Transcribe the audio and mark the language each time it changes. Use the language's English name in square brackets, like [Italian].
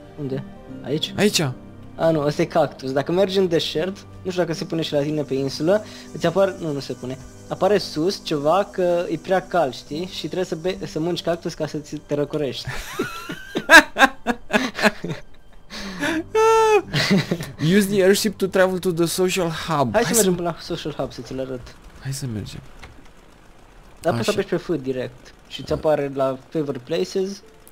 [Romanian] Unde? Aici? Aici. A, nu, ăsta e cactus. Dacă mergi în deșert, nu știu dacă se pune și la tine pe insulă, îți apare... Nu se pune. Apare sus ceva că e prea cald, știi? Și trebuie să să mânci cactus ca să te răcurești. [English] Use the airship to travel to the social hub. [Romanian] Hai să mergem până la social hub să ți-l arăt. Hai să mergem. Dar poți să apeși pe food direct și îți apare la favorite places.